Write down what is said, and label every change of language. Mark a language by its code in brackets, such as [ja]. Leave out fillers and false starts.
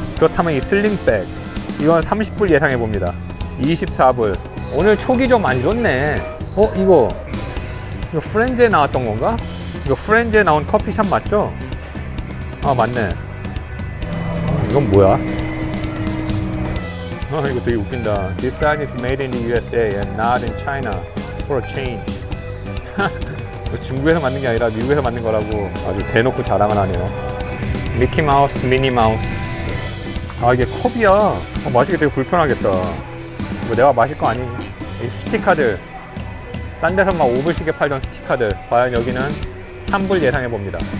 [ko] 그렇다면 이 슬링백 이건 30불 예상해봅니다. 24불. 오늘 촉이 좀 안 좋네. 어? 이거 프렌즈에 나왔던 건가? 이거 프렌즈에 나온 커피샵 맞죠? 아, 맞네. 이건 뭐야? 이거 되게 웃긴다. [en] This sign is made in the USA and not in China for a change. [ko] 중국에서 만든 게 아니라 미국에서 만든 거라고 아주 대놓고 자랑을 하네요. 미키 마우스, 미니 마우스. 아 이게 컵이야. 아, 마시기 되게 불편하겠다. 뭐 내가 마실 거 아니니? 이 스티커들. 딴 데서 막 오불시계 팔던 스티커들. 과연 여기는 3불 예상해 봅니다.